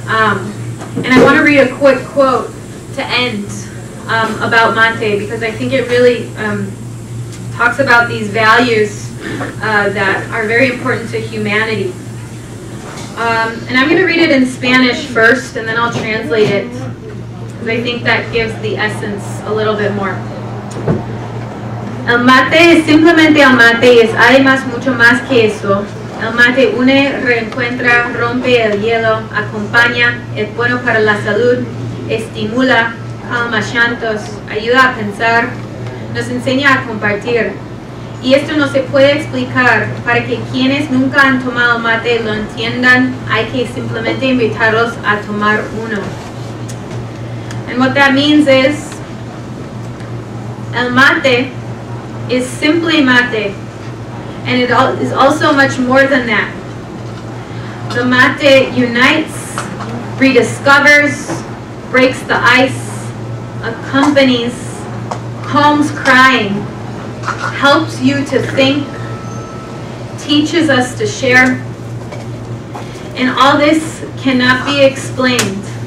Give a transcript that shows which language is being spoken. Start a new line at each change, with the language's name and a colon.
English: And I want to read a quick quote to end about mate, because I think it really talks about these values that are very important to humanity. And I'm going to read it in Spanish first, and then I'll translate it, because I think that gives the essence a little bit more.
Spanish: El mate es simplemente el mate, y es además mucho más que eso. El mate une, reencuentra, rompe el hielo, acompaña, es bueno para la salud, estimula, calma llantos, ayuda a pensar, nos enseña a compartir. Y esto no se puede explicar. Para que quienes nunca han tomado mate lo entiendan, hay que simplemente invitarlos a tomar uno.
English: And what that means is, el mate is simply mate, and it is also much more than that. The mate unites, rediscovers, breaks the ice, accompanies, calms crying, helps you to think, teaches us to share, and all this cannot be explained.